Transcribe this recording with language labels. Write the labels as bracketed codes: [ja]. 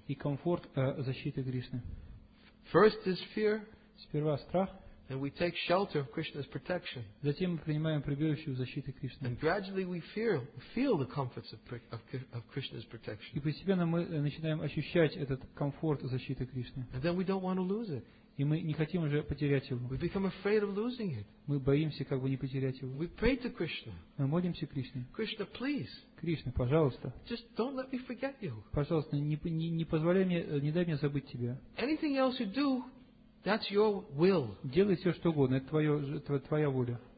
[ru] И комфорт защиты Кришны. [en] First is fear. [ru] Сперва страх. [en] And we take shelter of Krishna's protection. [ru] Затем мы принимаем прибежище в защите Кришны. [en] And gradually we feel the comforts of Krishna's protection. [ru] И постепенно мы начинаем ощущать этот комфорт защиты Кришны. [en] And then we don't want to lose it. [ru] И мы не хотим уже потерять его. [en] We become afraid of losing it. [ru] Мы боимся как бы не потерять его. [en] We pray to Krishna. [ru] Мы молимся Кришне. [en] Krishna, please. [ru] Кришна, пожалуйста. [en] Just don't let me forget you. [ru] Пожалуйста, не позволяй мне, не дай мне забыть тебя. [en] Anything else you do, that's your will. [ru] Делай все, что угодно, это твоя воля.